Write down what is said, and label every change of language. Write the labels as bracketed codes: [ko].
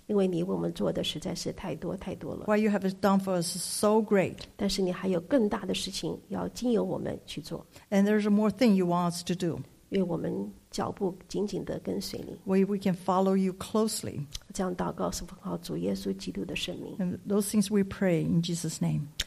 [zh] 因为你为我们做的实在是太多太多了 [en] What you have done for us is so great [zh] 但是你还有更大的事情要经由我们去做 [en] And there's more thing you want us to do. [zh] 愿我们脚步紧紧地跟随你。 [en] We can follow you closely. [zh] 这样祷告是奉靠主耶稣基督的圣名。 [en] And those things we pray in Jesus' name.